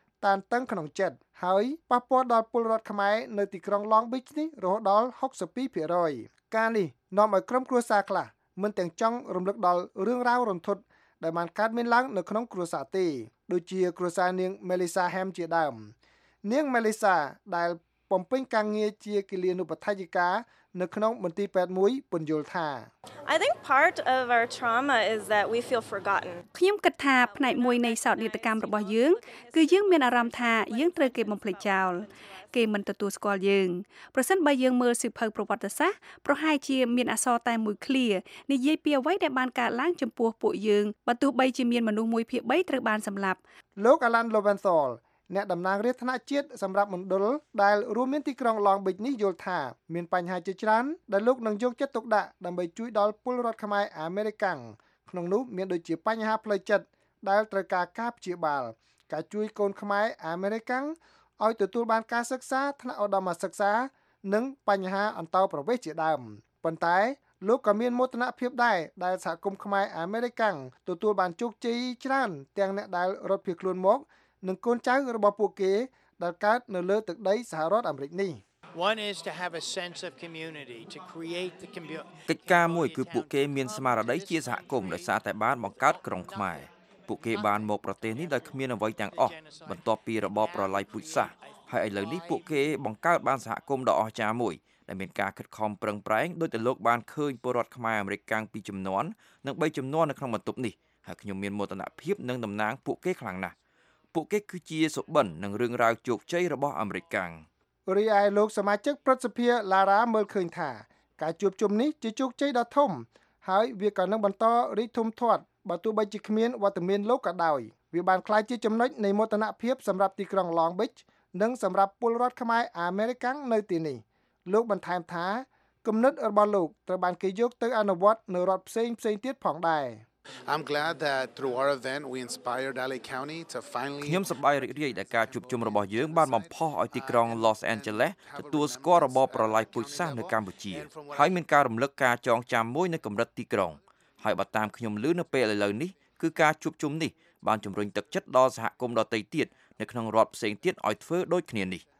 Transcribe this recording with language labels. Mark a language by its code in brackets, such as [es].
[km] តានតឹងក្នុងចិត្តហើយប៉ះពាល់ដល់ពលរដ្ឋខ្មែរនៅទីក្រុងឡងបិចនេះរហូតដល់ 62% ការនេះនាំឲ្យក្រុមគ្រួសារខ្លះមិនទាំងចង់រំលឹកដល់រឿងរ៉ាវរន្ធត់ដែលបានកើតមានឡើងនៅក្នុងគ្រួសារទេដូចជាគ្រួសារនាងមេលីសាហែមជាដើមនាងមេលីសាដែលបំពេញការងារជាគិលានុបដ្ឋាយិកានៅក្នុងមន្ទីរពេទ្យ1ពន្យល់ថា [en] I think part of our trauma is that we feel forgotten [km] ខ្ញុំគិតថាផ្នែកមួយនៃសោកនាដកម្មរបស់យើងគឺយើងមានអារម្មណ៍ថាយើងត្រូវគេបំភ្លេចចោលគេមិនទទួលស្គាល់យើងប្រសិនបើយើងមើលសៀវភៅប្រវត្តិសាស្ត្រប្រហែលជាមានអក្សរតែមួយឃ្លានិយាយពីអ្វីដែលបានកើតឡើងចំពោះពួកយើងបើទោះបីជាមានមនុស្សមួយភាគ3ត្រូវបានសម្លាប់លោក Alan Lovensol អ្នកតំណាងរាជធានីជាតិសម្រាប់មណ្ឌលដែលរួមមានទីក្រុងឡងបិចនេះយល់ថាមានបញ្ហាជាច្រើនដែលលោកនឹងយកចិត្តទុកដាក់ដើម្បីជួយដល់ពលរដ្ឋខ្មែរអាមេរិកាំង ក្នុងនោះមានដូចជាបញ្ហាផ្លូវចិត្តដែលត្រូវការការព្យាបាលការជួយកូនខ្មែរអាមេរិកាំងឲ្យទទួលបានការសិក្សាថ្នាក់ឧត្តមសិក្សានិងបញ្ហាអន្តរប្រទេសជាដើមប៉ុន្តែលោកក៏មានមោទនភាពដែរដែលសហគមន៍ខ្មែរអាមេរិកាំងទទួលបានជោគជ័យច្រើនទាំងអ្នកដែលរត់ភៀសខ្លួនមកនិងកូនចៅរបស់ពួកគេដែលកើតនៅលើទឹកដីសហរដ្ឋអាមេរិកនេះ [en] One is to have a sense of community to create the community. [km] កិច្ចការមួយគឺពួកគេមានស្មារតីជាសហគមន៍ដោយសារតែបានបង្កើតក្រុងខ្មែរពួកគេបានមកប្រទេសនេះដោយគ្មានអ្វីទាំងអស់បន្ទាប់ពីរបបប្រល័យពូជសាសន៍ហើយឥឡូវនេះពួកគេបង្កើតបានសហគមន៍ដ៏អស្ចារ្យមួយដែលមានការខិតខំប្រឹងប្រែងដោយតែលោកបានឃើញពលរដ្ឋខ្មែរអាមេរិកកាំងពីរចំនួននិង3ចំនួននៅក្នុងបន្ទប់នេះហើយខ្ញុំមានមោទនភាពនឹងតំណាងពួកគេខ្លាំងណាស់ពួកគេគឺជាសុបិននឹងរឿងរ៉ាវជោគជ័យរបស់អាមេរិកកាំង រីឯលោកសមាជិកព្រឹទ្ធសភាឡារ៉ាមើលឃើញថាការជួបជុំនេះជាជោគជ័យដ៏ធំហើយវាក៏នឹងបន្តរីកធំធាត់បើទោះបីជាគ្មានវត្តមានលោកក៏ដោយវាបានក្លាយជាចំណុចនៃមោទនភាពសម្រាប់ទីក្រុង Long Beach និងសម្រាប់ពលរដ្ឋខ្មែរអាមេរិកាំងនៅទីនេះលោកបន្ថែមថាគំនិតរបស់លោកត្រូវបានគេយកទៅអនុវត្តនៅរដ្ឋផ្សេងៗទៀតផងដែរ [en] I'm glad that through our event we inspired LA County to finally [km] ខ្ញុំសប្បាយរីករាយដែលការជួបជុំរបស់យើងបានបំផុសឲ្យទីក្រុង Los Angeles ទទួលស្គាល់របបប្រល័យពូជសាសន៍នៅកម្ពុជាហើយមានការរំលឹកការចងចាំមួយនៅកម្រិតទីក្រុងហើយបើតាមខ្ញុំឮនៅពេលឥឡូវនេះគឺការជួបជុំនេះបានជំរុញទឹកចិត្តដល់សហគមន៍ដទៃទៀតនៅក្នុងរដ្ឋផ្សេងទៀតឲ្យធ្វើដូចគ្នានេះ